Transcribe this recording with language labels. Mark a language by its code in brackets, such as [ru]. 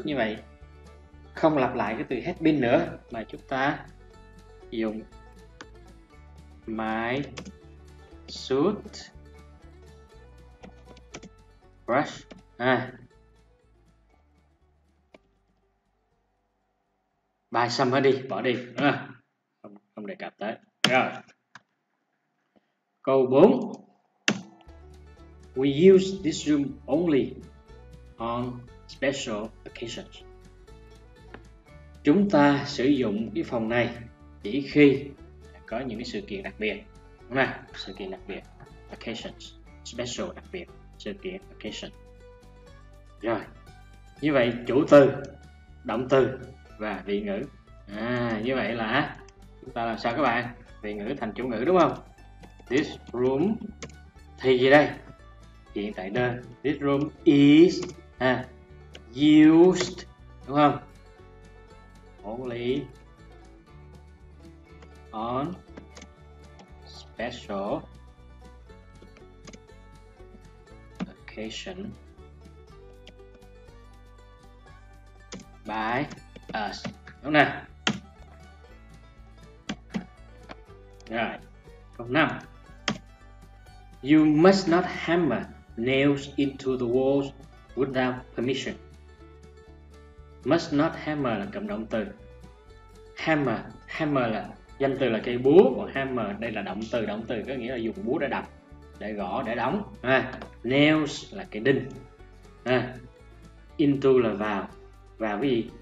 [vi] Như vậy không lặp lại cái từ hết been nữa mà chúng ta dùng [en] my suit brush [vi] ha. Bài xong hết đi, bỏ đi, không đề cập tới. Rồi. Câu 4. [en] We use this room only on special occasions. [vi] Chúng ta sử dụng cái phòng này chỉ khi có những cái sự kiện đặc biệt. Đúng không? Sự kiện đặc biệt, occasions, special đặc biệt, sự kiện occasion. Rồi. Như vậy chủ từ, động từ và vị ngữ. À, như vậy là chúng ta làm sao các bạn? Vị ngữ thành chủ ngữ đúng không? [en] This room [vi] thì gì đây? Hiện tại đơn. [en] This room is used [vi] đúng không? [en] Only on special occasion by us. [vi] Đúng nè. Rồi, câu 5. [en] You must not hammer nails into the walls without permission. Must not hammer [vi] là cụm động từ. Hammer, hammer là danh từ là cây búa, còn hammer đây là động từ. Động từ có nghĩa là dùng búa để đập, để gõ, để đóng. À, nails là cái đinh. À, into là vào. Vào cái gì?